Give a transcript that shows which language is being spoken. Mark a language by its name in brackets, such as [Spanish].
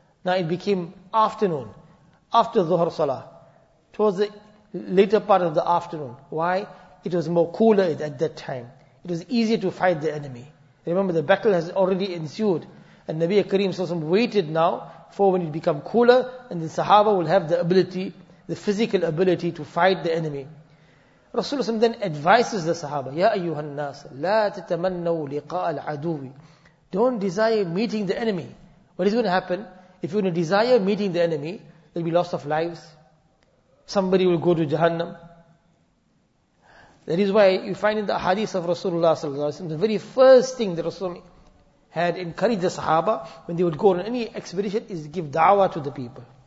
[English] Now it became afternoon, after Dhuhr Salah, towards the later part of the afternoon. Why? It was more cooler at that time. It was easier to fight the enemy. Remember, the battle has already ensued. And Nabi Kareem SAW waited now for when it become cooler, and the Sahaba will have the ability, the physical ability to fight the enemy. Rasulullah SAW then advises the Sahaba, [Arabic] يَا أَيُّهَا النَّاسَ لَا تَتَمَنَّوا لِقَاءَ الْعَدُوِ. [English] Don't desire meeting the enemy. What is going to happen? If you're going to desire meeting the enemy, there'll be loss of lives. Somebody will go to Jahannam. That is why you find in the hadith of Rasulullah sallallahu alaihi wasallam, the very first thing that Rasulullah had encouraged the Sahaba when they would go on any expedition is give da'wah to the people.